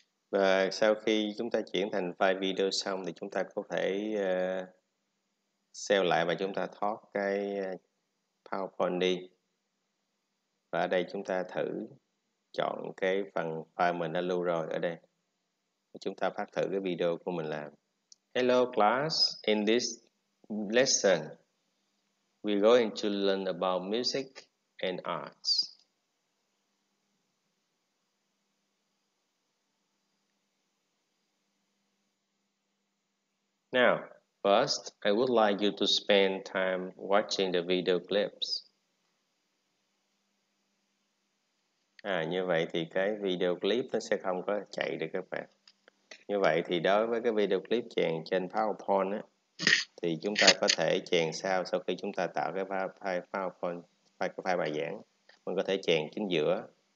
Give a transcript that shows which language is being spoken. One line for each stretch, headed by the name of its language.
Vietnamese: Và sau khi chúng ta chuyển thành file video xong thì chúng ta có thể save lại và chúng ta thoát cái PowerPoint đi. Và ở đây chúng ta thử chọn cái phần file mình đã lưu rồi ở đây. Chúng ta phát thử cái video của mình làm.
English: Hello class, in this lesson, we're going to learn about music and arts. Now, first, I would like you to spend time watching the video clips.
Vietnamese: Như vậy thì cái video clip nó sẽ không có chạy được các bạn. Như vậy thì đối với cái video clip chèn trên PowerPoint á, thì chúng ta có thể chèn sau khi chúng ta tạo cái file PowerPoint, file bài giảng. Mình có thể chèn chính giữa.